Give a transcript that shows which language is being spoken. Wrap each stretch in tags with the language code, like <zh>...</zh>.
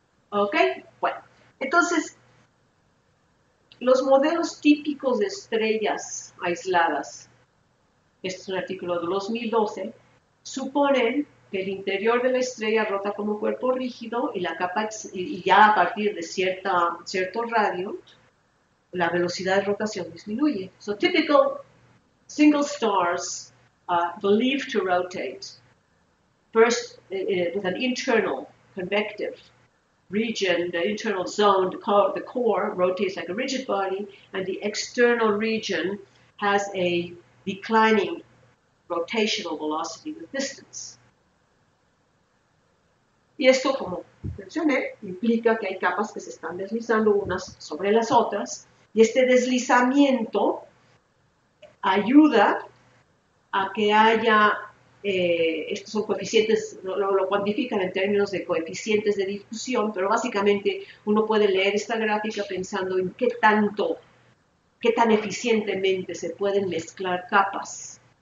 <es>¿Ok? Bueno, entonces, los modelos típicos de estrellas aisladas, este es un artículo de 2012, suponen que el interior de la estrella rota como cuerpo rígido y la capa, y ya a partir de cierto radio, la velocidad de rotación disminuye.</es> <en>So, typical single stars believed to rotate first with an internal convective region, the internal zone, the core rotates like a rigid body, and the external region has a declining rotational velocity with distance.</en> <es>Y esto, como mencioné, implica que hay capas que se están deslizando unas sobre las otras, y este deslizamiento ayuda a que haya, estos son coeficientes, lo cuantifican en términos de coeficientes de difusión, pero básicamente uno puede leer esta gráfica pensando en qué tan eficientemente se pueden mezclar capas</es>